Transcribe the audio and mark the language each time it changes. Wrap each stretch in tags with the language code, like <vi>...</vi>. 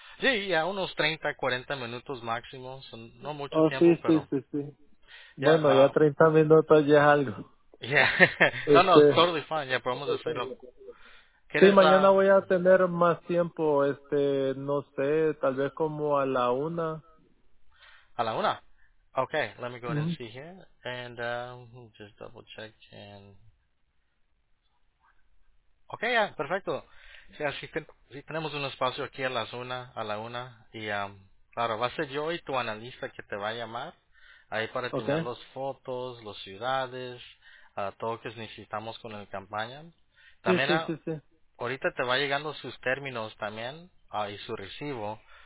<es>Sí, ya unos 30, 40 minutos máximo, son no mucho oh, tiempo, sí, pero... Sí. Yeah, bueno, ya 30 minutos ya es algo.</es> <en>Yeah. No, totally fine,</en> <es>ya podemos hacerlo. Sí, mañana voy a tener más tiempo, no sé, tal vez como a la una. ¿A la una?</es> <en>Okay, let me go ahead and see here, and just double check, and okay, yeah,</en> <es>perfecto. Sí, así tenemos un espacio aquí a la una, y claro, va a ser yo y tu analista que te va a llamar, ahí para tener las fotos, las ciudades, todo lo que necesitamos con el campaña. También, ahorita te va llegando sus términos también, y su recibo.</es>